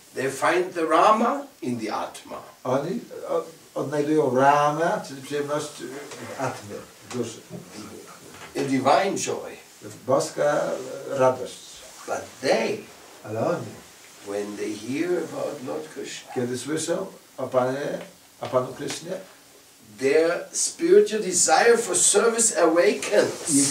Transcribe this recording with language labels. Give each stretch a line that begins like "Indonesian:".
English: They find the Rama in the Atma.
Polish: Oni odnajdują Rama, czyli przyjemność w Atmie, w duszy.
English: A divine joy.
Polish: Boska radość.
English: But they,
Polish: ale oni,
English: when they hear about Lord Krishna,
Polish: kiedy słyszą o Panu Krishna,
English: their spiritual desire for service awakens.